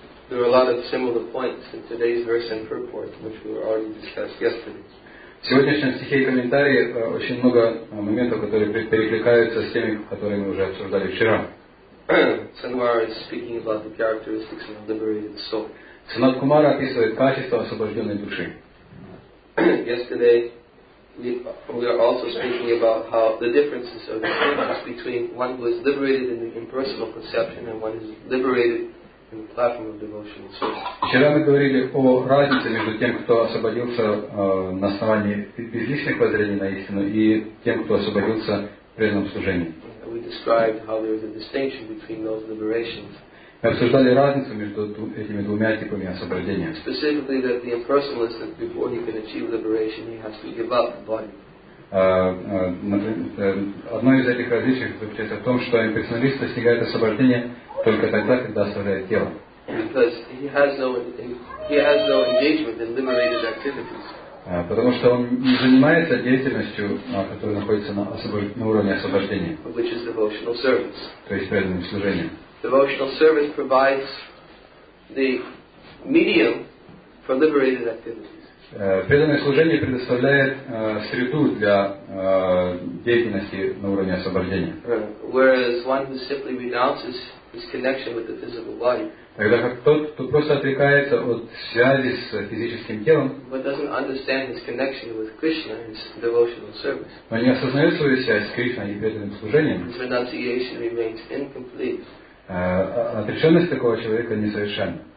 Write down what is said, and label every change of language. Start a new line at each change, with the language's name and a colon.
English: There are a lot of similar points in today's verse and purport, which we already discussed yesterday.
Russian: В сегодняшнем стихе и комментарии очень много моментов, которые перекликаются с теми, которые мы уже обсуждали вчера.
English: Sanwar is speaking about the characteristics of a liberated soul.
Russian: Sanat Kumar описывает качество освобожденной души.
English: Yesterday, we are also speaking about how the differences are the difference between one who is liberated in the impersonal conception and one who is liberated in the platform of devotional service.
Russian: Вчера мы говорили о разнице между тем, кто освободился на основании безличных воззрений на истину, и тем, кто освободился в преданном служении.
English: We described how there is a distinction between those liberations.
Russian: Мы обсуждали разницу между этими двумя типами освобождения.
English: Specifically, that the impersonalist, that before he can achieve liberation, he has to give up the body.
Russian: Одно из этих различий заключается в том, что имперсоналист достигает освобождения только тогда, когда оставляет тело.
English: Because he has no engagement in liberated activities.
Russian: Потому что он не занимается деятельностью, которая находится на уровне освобождения.
English: Which is devotional service.
Russian: То есть преданным служением.
English: Devotional service provides the medium for liberated activities.
Russian: Преданное служение предоставляет среду для деятельности на уровне освобождения.
English: Whereas one who simply renounces his connection with the physical body,
Russian: тогда как тот, кто просто отрекается от связи с физическим телом,
English: but doesn't understand his connection with Krishna, his devotional service,
Russian: но не осознает свою связь с Кришной и преданным служением,
English: his renunciation remains incomplete.
Russian: Отрешенность такого человека несовершенна.